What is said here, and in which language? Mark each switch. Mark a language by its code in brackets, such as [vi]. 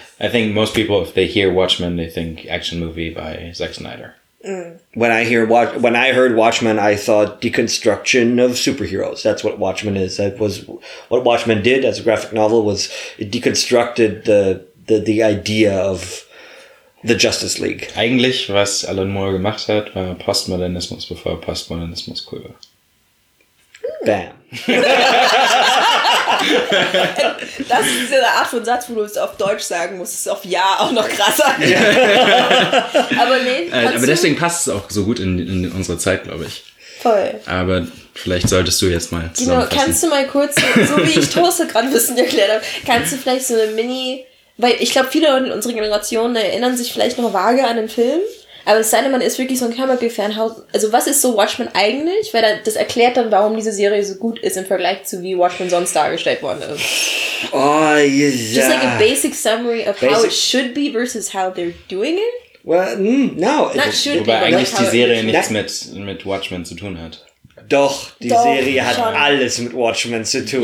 [en] I think most people, if they hear Watchmen, they think action movie by Zack Snyder. Mm. When I heard Watchmen, I thought deconstruction of superheroes. That's what Watchmen is. That was what Watchmen did as a graphic novel, was it deconstructed the idea of the Justice League. [de] Eigentlich, was Alan Moore gemacht hat, war Postmodernismus bevor Postmodernismus cool war. Bam. Das ist ja der Art von Satz, wo du es auf Deutsch sagen musst, ist auf Ja auch noch krasser. Aber nee. Aber deswegen passt es auch so gut in unsere Zeit, glaube ich. Voll. Aber vielleicht solltest du jetzt mal zusammenfassen. Genau, kannst du mal kurz, so wie ich Tose gerade ein bisschen erklärt habe, kannst du vielleicht so eine Mini, weil ich glaube, viele in unserer Generation erinnern sich vielleicht noch vage an den Film. Aber es sei denn, man ist wirklich so ein Comic-Fan. Also was ist so Watchmen eigentlich? Weil das erklärt dann, warum diese Serie so gut ist im Vergleich zu wie Watchmen sonst dargestellt worden ist. [en] Oh, yeah. Just like a basic summary of basic. How it should be versus how they're doing it? Well, no. Not should [de] wobei [en] be, [de] eigentlich die Serie nichts mit Watchmen zu tun hat. Doch, die doch, Serie schon. Hat alles mit Watchmen zu tun.